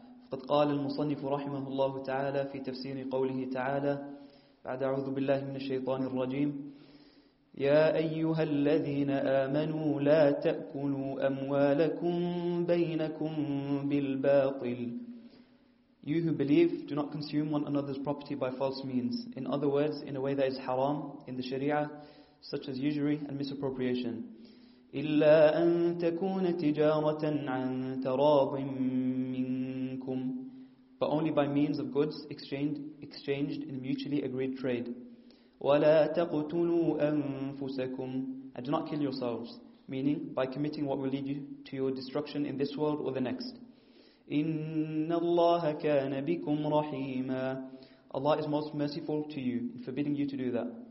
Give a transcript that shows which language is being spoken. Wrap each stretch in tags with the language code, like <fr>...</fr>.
<ar>قد قال المصنف رحمه الله تعالى في تفسير قوله تعالى بعد أعوذ بالله من الشيطان الرجيم يا أيها الذين آمنوا لا تأكلوا أموالكم بينكم بالباطل.</ar> <en>You who believe, do not consume one another's property by false means. In other words, in a way that is haram in the Sharia, such as usury and misappropriation.</en> <ar>إلا أن تكون تجارة عن تراض من</ar> <en>but only by means of goods exchanged in mutually agreed trade.</en> <ar>وَلَا تَقْتُلُوا أَنفُسَكُمْ</ar> <en>And do not kill yourselves, meaning by committing what will lead you to your destruction in this world or the next.</en> <ar>إِنَّ اللَّهَ كَانَ بِكُمْ رَحِيمًا</ar> <en>Allah is most merciful to you in forbidding you to do that.</en>